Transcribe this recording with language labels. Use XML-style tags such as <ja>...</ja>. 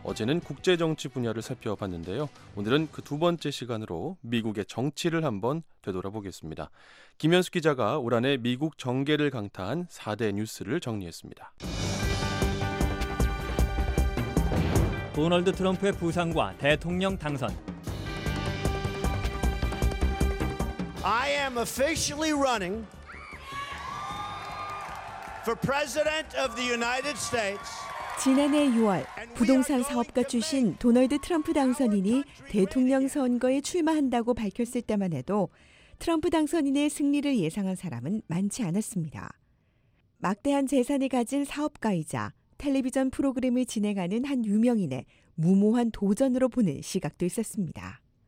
<ko>어제는 국제정치 분야를 살펴봤는데요. 오늘은 그 두 번째 시간으로 미국의 정치를 한번 되돌아보겠습니다. 김현숙 기자가 올 한 해 미국 정계를 강타한 4대 뉴스를 정리했습니다. 도널드 트럼프의 부상과 대통령 당선.</ko> <en>I am officially running for president of the United States.</en> <ko>지난해 6월 부동산 사업가 출신 도널드 트럼프 당선인이 대통령 선거에 출마한다고 밝혔을 때만 해도 트럼프 당선인의 승리를 예상한 사람은 많지 않았습니다. 막대한 재산을 가진 사업가이자 텔레비전 프로그램을 진행하는 한 유명인의 무모한 도전으로 보는 시각도 있었습니다.</ko>